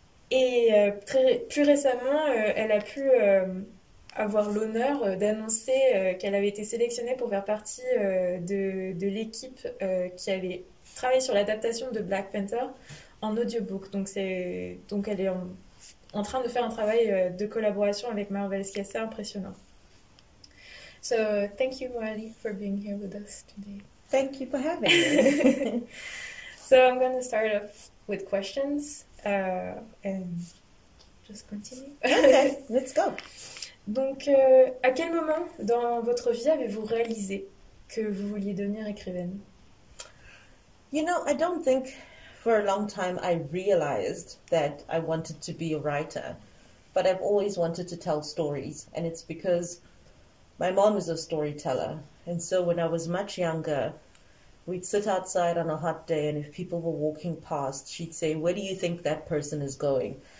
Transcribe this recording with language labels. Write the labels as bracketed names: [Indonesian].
[French] Et plus récemment, elle a pu avoir l'honneur d'annoncer qu'elle avait été sélectionnée pour faire partie de l'équipe qui avait travaillé sur l'adaptation de Black Panther en audiobook. Donc elle est en train de faire un travail de collaboration avec Marvel, ce qui est assez impressionnant. [English] So, thank you, Molly, for being here with us Thank you for having me. today. So, I'm going to start off with questions and just continue. Okay, let's go. [French] Donc, à quel moment dans votre vie avez-vous réalisé que vous vouliez devenir écrivaine? [English] You know, I don't think for a long time I realized that I wanted to be a writer, but I've always wanted to tell stories, and it's because my mom is a storyteller. And so when I was much younger, we'd sit outside on a hot day, and if people were walking past, she'd say, "Where do you think that person is going?"